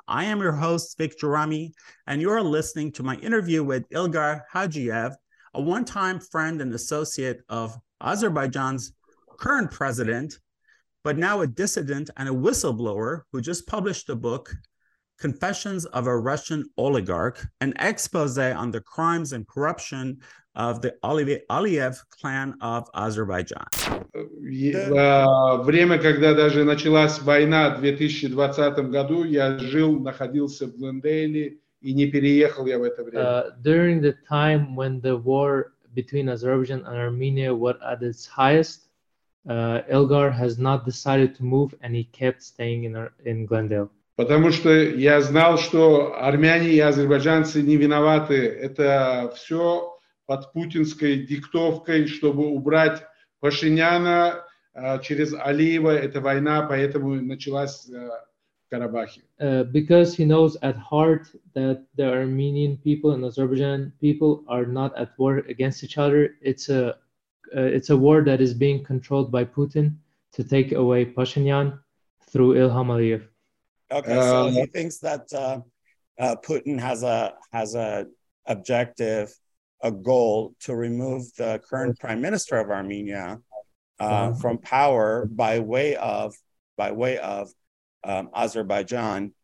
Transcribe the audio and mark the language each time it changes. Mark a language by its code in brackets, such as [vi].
[en] I am your host, Vic Jarami, and you are listening to my interview with Ilgar Hajiyev, a one-time friend and associate of Azerbaijan's current president, but now a dissident and a whistleblower who just published a book, Confessions of a Russian Oligarch, an expose on the crimes and corruption of the Aliyev clan of Azerbaijan. [ru] Время, когда даже началась война в 2020 году, я жил, находился в Глендейле и не переехал я в это время. [en] During the time when the war between Azerbaijan and Armenia was at its highest, Ilgar has not decided to move and he kept staying in Glendale. [ru] Потому что я знал, что армяне и азербайджанцы не виноваты. Это все под путинской диктовкой, чтобы убрать Пашиняна через Алиева. Это война, поэтому началась в Карабахе. [en] Because he knows at heart that the Armenian people and Azerbaijan people are not at war against each other. It's a war that is being controlled by Putin to take away Pashinyan through Ilham Aliyev. Okay, so he thinks that Putin has a objective, a goal to remove the current prime minister of Armenia from power by way of Azerbaijan.